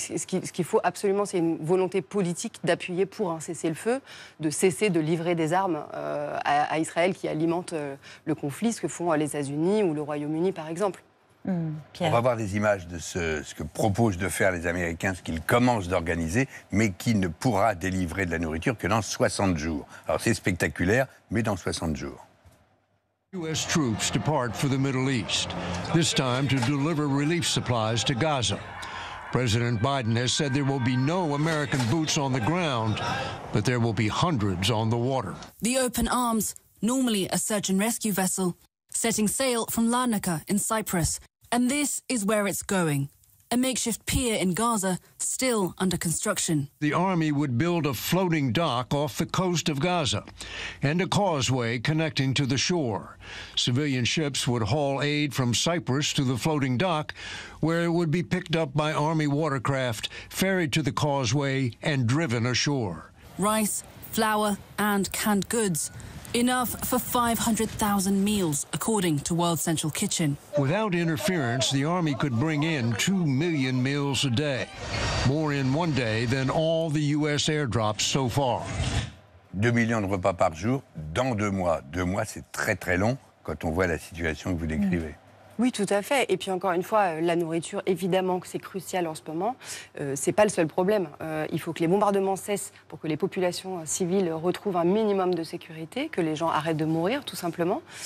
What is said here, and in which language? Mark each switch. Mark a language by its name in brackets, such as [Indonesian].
[French] Ce qu'il faut absolument, c'est une volonté politique d'appuyer pour un cessez-le-feu, de cesser de livrer des armes à Israël qui alimente le conflit, ce que font les États-Unis ou le Royaume-Uni, par exemple. Pierre. On va voir des images de ce que proposent de faire les Américains, ce qu'ils commencent d'organiser, mais qui ne pourra délivrer de la nourriture que dans 60 jours. Alors c'est spectaculaire, mais dans 60 jours. [English] U.S. troops depart for the Middle East, this time to deliver relief supplies to Gaza. President Biden has said there will be no American boots on the ground, but there will be hundreds on the water. The Open Arms, normally a search and rescue vessel, setting sail from Larnaca in Cyprus. And this is where it's going. A makeshift pier in Gaza, still under construction. The army would build a floating dock off the coast of Gaza and a causeway connecting to the shore. Civilian ships would haul aid from Cyprus to the floating dock, where it would be picked up by army watercraft, ferried to the causeway, and driven ashore. Rice, flour, and canned goods. Enough for 500,000 meals, according to World Central Kitchen. Without interference, the army could bring in 2 million meals a day. More in one day than all the U.S. airdrops so far. [French] 2 millions de repas par jour dans 2 mois. 2 mois, c'est très, très long quand on voit la situation que vous décrivez. Mmh. Oui, tout à fait. Et puis encore une fois, la nourriture, évidemment que c'est crucial en ce moment. C'est pas le seul problème. Il faut que les bombardements cessent pour que les populations civiles retrouvent un minimum de sécurité, que les gens arrêtent de mourir, tout simplement.